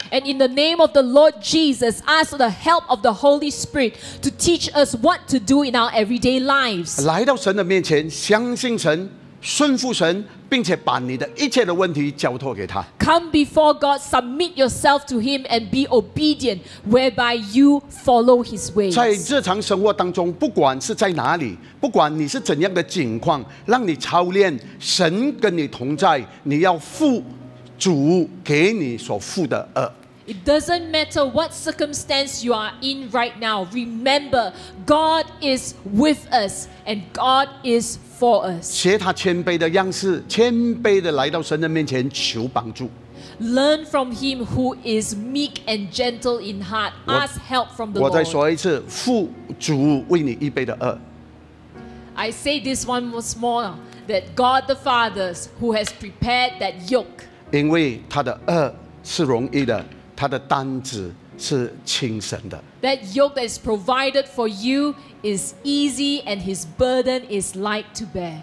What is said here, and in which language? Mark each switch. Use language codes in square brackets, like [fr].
[en] And in the name of the Lord Jesus, ask the help of the Holy Spirit to teach us what to do in our everyday lives. [zh] 来到神的面前，相信神，顺服神，并且把你的一切的问题交托给他。 [en] Come before God, submit yourself to Him and be obedient, whereby you follow His ways. [zh] 在日常生活当中，不管是在哪里，不管你是怎样的境况，让你操练神跟你同在，你要负主给你所负的轭。 [en] It doesn't matter what circumstance you are in right now. Remember, God is with us and God is for us. [zh] 学他谦卑的样式，谦卑的来到神的面前求帮助。 [en] Learn from Him who is meek and gentle in heart. Ask help from the Lord. [zh] 我再说一次，负主为你预备的轭。 [en] I say this one once more, that God the Father who has prepared that yoke. [zh] 因为他的轭是容易的。他的担子是轻省的。 [en] That yoke that is provided for you is easy, and His burden is light to bear.